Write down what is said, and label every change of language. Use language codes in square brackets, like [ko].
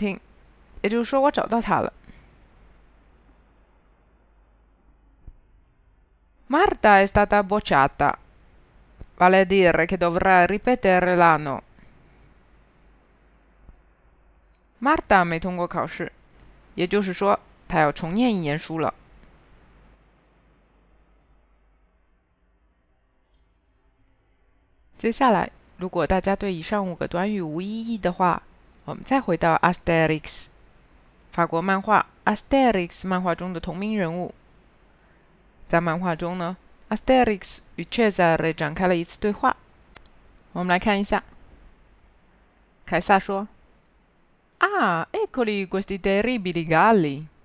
[zh] 我选好了餐厅，也就是说我找到它了。 [it] Marta è stata bocciata, vale a dire che dovrà ripetere l'anno. Marta ha messo un corso, [zh] 也就是说,她要重念一年书了。接下来,如果大家对以上5个短语无异议的话,我们再回到Asterix, 法国漫画Asterix 漫画中的同名人物。在漫画中呢，Asterix 与 Cesare 展开了一次对话。我们来看一下。凯撒说： [it] “Ah, eccoli questi terribili galli！”